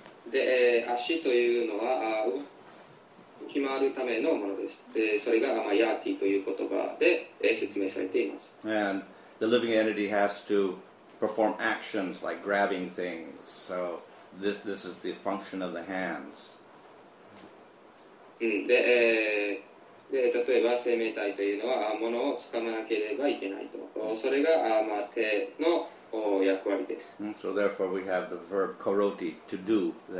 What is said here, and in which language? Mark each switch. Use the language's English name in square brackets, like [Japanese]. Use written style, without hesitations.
[Japanese] で、足というのは決まるためのものです。で、それがヤーティという言葉で説明されています。 [English] And the living entity has to perform actions like grabbing things. So this is the function of the hands. [Japanese] で、で、例えば生命体というのは物を掴まなければいけないと。それが、手の [English] So therefore we have the verb karoti, to do.